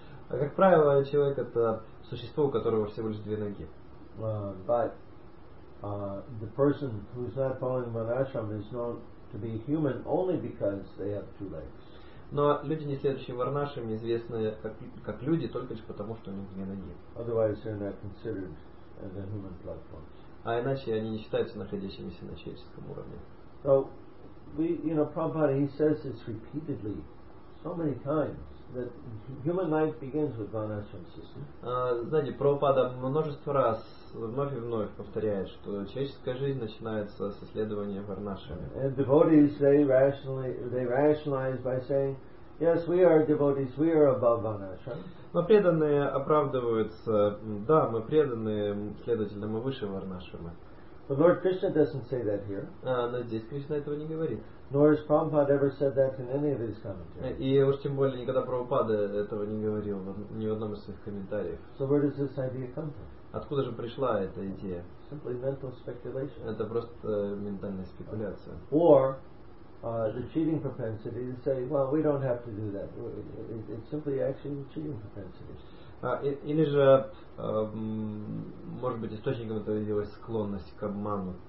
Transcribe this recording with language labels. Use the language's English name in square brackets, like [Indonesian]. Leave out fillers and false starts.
[Russian] Как правило, человек — это существо, у которого всего лишь две ноги. [English] But the person who is not following Varnashram is known to be human only because they have two legs. [Russian] Но люди, не следующие Варнашрам, известны как люди только лишь потому, что у них две ноги. [English] Otherwise, they are not considered as a human platform. [Russian] А иначе они не считаются находящимися на человеческом уровне. [English] So, Prabhupada, he says this repeatedly, so many times, that human life begins with Varnashram system. [Russian] Знаете, Прабхупада множество раз, вновь и вновь повторяет, что человеческая жизнь начинается с исследования Варнашрама. [English] And devotees, they rationalize by saying, yes, we are devotees, we are above Varnashram. [Russian] Но преданные оправдываются, да, мы преданные, следовательно, мы выше Варнашрама. [English] But Lord Krishna doesn't say that here. [Russian] Но здесь Кришна этого не говорит. [English] Nor has Prabhupada ever said that in any of his commentaries. [Russian] И уж тем более никогда Прабхупада этого не говорил ни в одном из своих комментариев. [English] So where does this idea come from? [Russian] Откуда же пришла эта идея? [English] Simply mental speculation. [Russian] Это просто ментальная спекуляция. [English] Or the cheating propensity to say, well, we don't have to do that. It's simply actually the cheating propensity. [Russian] Или же, может быть, источником этого явилась склонность к обману.